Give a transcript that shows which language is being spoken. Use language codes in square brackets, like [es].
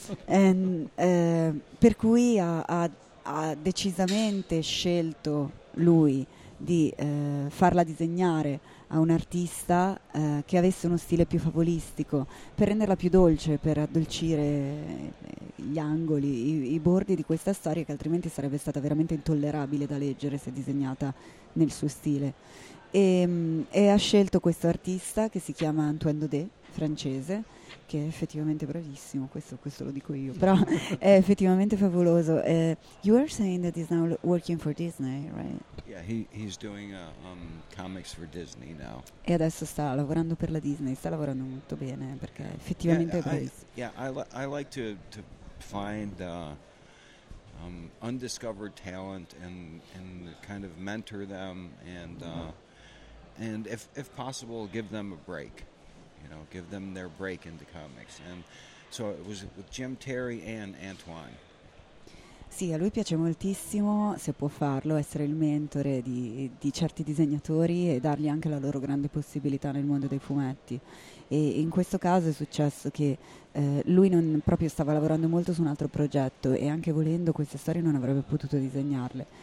[it] And, per cui ha decisamente scelto lui di farla disegnare a un artista che avesse uno stile più favolistico, per renderla più dolce, per addolcire gli angoli, i bordi di questa storia che altrimenti sarebbe stata veramente intollerabile da leggere se disegnata nel suo stile. E ha scelto questo artista che si chiama Antoine Daudet, francese, che è effettivamente bravissimo, questo lo dico io, però è effettivamente favoloso. [en] You are saying that he's now working for Disney, right? Yeah, he's doing comics for Disney now. [it] E adesso sta lavorando per la Disney, sta lavorando molto bene, perché effettivamente [en] yeah, [it] è bravissimo. [en] I like to find undiscovered talent and kind of mentor them and if possible give them a break. You know, give them their break into comics. And so it was with Jim Terry and Antoine. [it] Sì, a lui piace moltissimo, se può farlo, essere il mentore di certi disegnatori e dargli anche la loro grande possibilità nel mondo dei fumetti. E in questo caso è successo che lui non proprio stava lavorando molto su un altro progetto e anche volendo queste storie non avrebbe potuto disegnarle.